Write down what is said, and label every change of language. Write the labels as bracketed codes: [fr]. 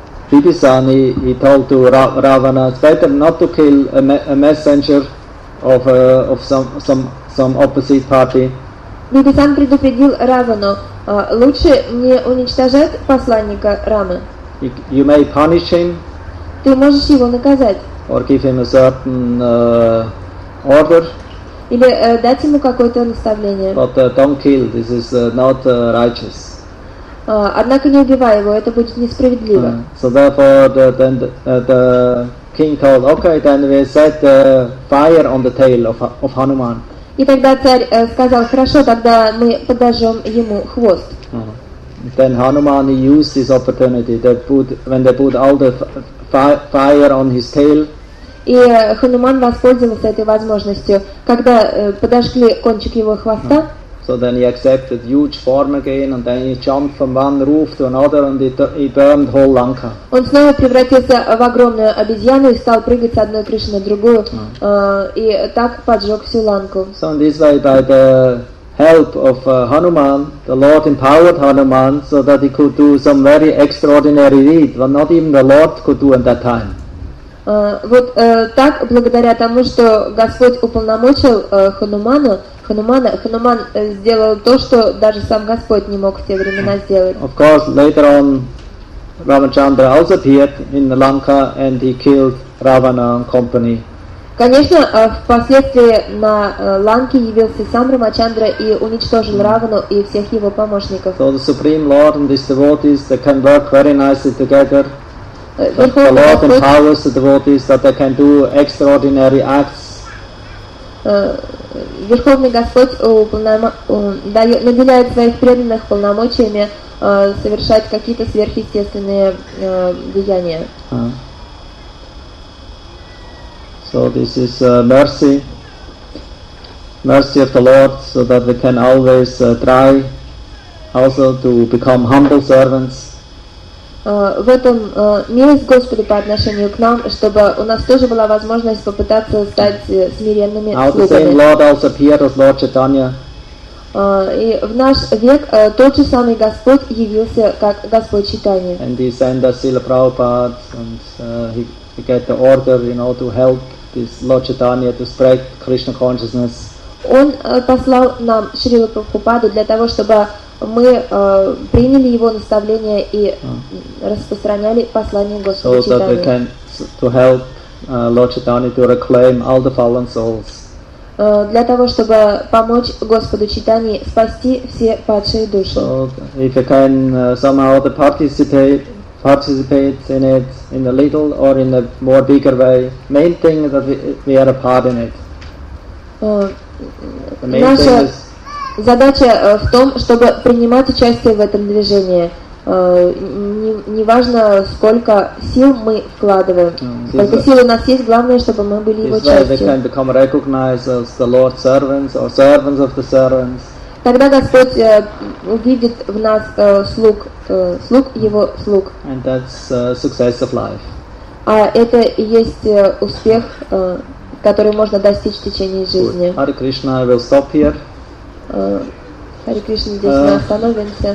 [en] Bibi-san, he told to Ravana, it's better not to kill a messenger of some opposite party. [ru] Bibi-san предупредил Равану, лучше не уничтожать посланника Рамы. [en] You may punish him. [ru] Ты можешь его наказать. [en] Or give him a certain order. [ru] Или дать ему какое-то наставление. [en] But don't kill. This is not righteous. [ru] Однако не убивай его, это будет несправедливо. [en] So therefore, the king told, okay, then we set the fire on the tail of Hanuman. [ru] И тогда царь сказал, хорошо, тогда мы подожжем ему хвост. [en] Then Hanuman used this opportunity. When they put all the fire on his tail. [ru] И Хануман воспользовался этой возможностью, когда подожгли кончик его хвоста. [en] So then he accepted huge form again, and then he jumped from one roof to another, and he burned whole Lanka. [ru] Он снова превратился в огромную обезьяну и стал прыгать с одной крыши на другую, и так поджег всю Ланку. [en] So in this way, by the help of Hanuman, the Lord empowered Hanuman so that he could do some very extraordinary deed, but not even the Lord could do at that time. [ru] Так, благодаря тому, что Господь уполномочил Хануману, Хануман сделал то, что даже сам Господь не мог в те времена сделать. [en] Of course, later on, Ramachandra also appeared in Lanka and he killed Ravana and company. [ru] Конечно, впоследствии на Ланке явился сам Рамачандра и уничтожил Равану и всех его помощников. [en] So the Supreme Lord and his devotees, they can work very nicely together. The Lord empowers the devotees that they can do extraordinary acts. [ru] Верховный Господь наделяет своих преданных полномочиями совершать какие-то сверхъестественные деяния. [en] So this is mercy of the Lord, so that we can always try also to become humble servants. [ru] В этом милость Господа по отношению к нам, чтобы у нас тоже была возможность попытаться стать смиренными слугами. И в наш век тот же самый Господь явился как Господь Читания. [en] And he sent us Srila Prabhupada, and he got the order, you know, to help this Lord Chaitanya to spread Krishna consciousness. [ru] Он послал нам Шрилу Прабхупаду для того, чтобы мы приняли его наставление и распространяли послание Господа Читания. [en] So that we can to help Lord Chaitanya to reclaim all the fallen souls. [ru] Для того, чтобы помочь Господу Читании спасти все падшие души. [en] So if you can somehow participate in it in a little or in a more bigger way, main thing is that we are a part in it. [ru] Наша задача в том, чтобы принимать участие в этом движении. Не важно, сколько сил мы вкладываем. Сколько сил у нас есть, главное, чтобы мы были его частью. [en] They can become recognized as the Lord's servants or servants of the servants. [ru] Тогда Господь увидит в нас слуг его слуг. [en] And that's success of life. [ru] А это и есть успех, который можно достичь в течение жизни. [en] Hare Krishna, I will stop here. [ru] Hare Krishna, здесь мы остановимся.